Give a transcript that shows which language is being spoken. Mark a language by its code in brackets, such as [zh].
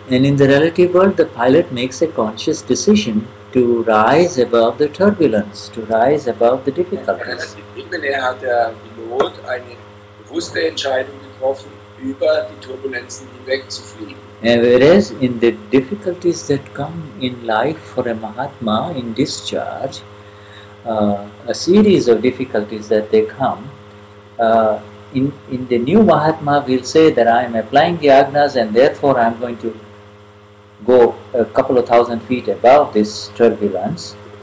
[en] And in the relative world, the pilot makes a conscious decision to rise above the turbulence, to rise above the difficulties. [de] In der hat der Pilot eine bewusste Entscheidung getroffen, über die Turbulenzen hinwegzufliegen. [en] And whereas in the difficulties that come in life for a Mahatma in discharge, a series of difficulties that they come, in the new Mahatma will say that I am applying the Agnas and therefore I am going to go a couple of thousand feet above this turbulence.